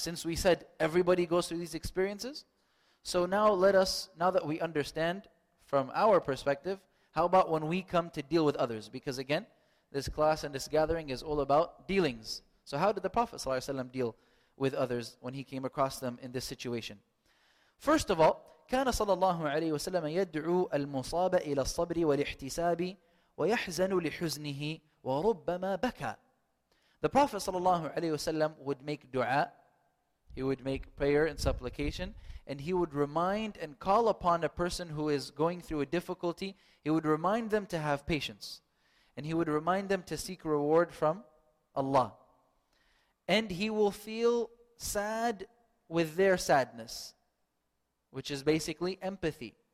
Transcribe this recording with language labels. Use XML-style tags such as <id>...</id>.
<en>Since we said everybody goes through these experiences, so now let us, now that we understand from our perspective, how about when we come to deal with others? Because again, this class and this gathering is all about dealings. So how did the Prophet ﷺ deal with others when he came across them in this situation? First of all,</en> <ar>كان صلى الله عليه وسلم يدعو المصاب إلى الصبر والاحتساب ويحزن لحزنه وربما بكى.</ar> <en>The Prophet sallallahu alaihi wasallam would make dua. He would make prayer and supplication, and he would remind and call upon a person who is going through a difficulty. He would remind them to have patience, and he would remind them to seek reward from Allah. And he will feel sad with their sadness, which is basically empathy.</en>